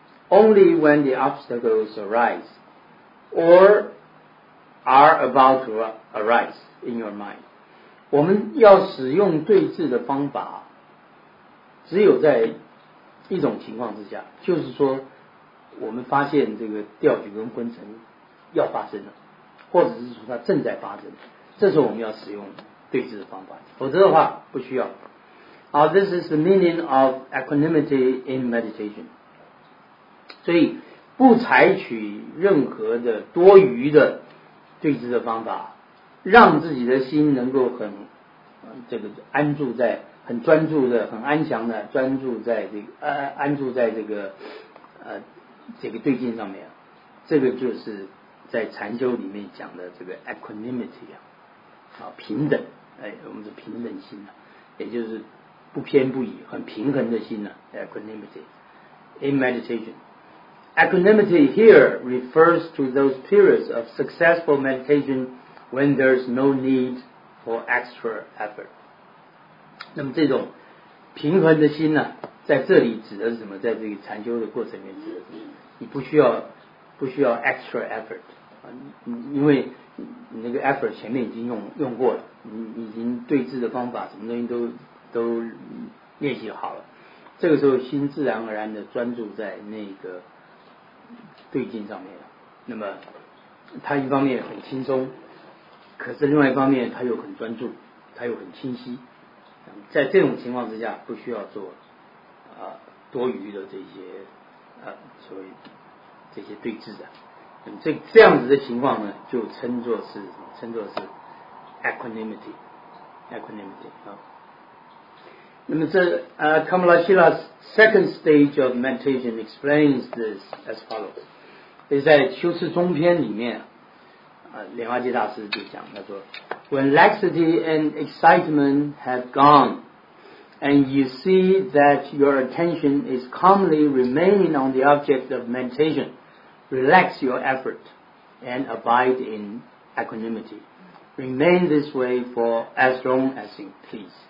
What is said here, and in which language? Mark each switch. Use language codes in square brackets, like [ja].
[en] only when the obstacles arise or are about to arise in your mind. [zh] 我们要使用对峙的方法只有在一种情况之下，就是说我们发现这个调举跟昏沉要发生了，或者是说它正在发生，这时候我们要使用对峙的方法，否则的话不需要。 [en] 好， this is the meaning of equanimity in meditation. [zh] 所以不采取任何的多余的对峙的方法，让自己的心能够很这个安住在很专注的很安详的专注在这个安住在这个这个对境上面，这个就是在禅修里面讲的这个 equanimity 啊，平等，哎，我们是平等心啊，也就是不偏不倚，很平衡的心啊， [en] equanimity in meditation. Equanimity here refers to those periods of successful meditation when there's no need for extra effort. [zh] 那么这种平衡的心呢、啊，在这里指的是什么？在这个禅修的过程里面指的是什么？你不需要 [en] extra effort。 [zh] 因为你那个 effort 前面已经用过了，你已经对峙的方法什么东西都练习好了，这个时候心自然而然的专注在那个对境上面了。那么它一方面很轻松，可是另外一方面它又很专注，它又很清晰，在这种情况之下不需要做多余的这些所谓这些对峙的。这样子的情况呢，就称作是 equanimity 啊。那么这 [en] Kamalashila's second stage of meditation explains this as follows. [zh] 这是在修持中篇里面，莲花界大师就讲，他说 [en] ，When laxity and excitement have gone, and you see that your attention is calmly remaining on the object of meditation. Relax your effort and abide in equanimity. Remain this way for as long as you please.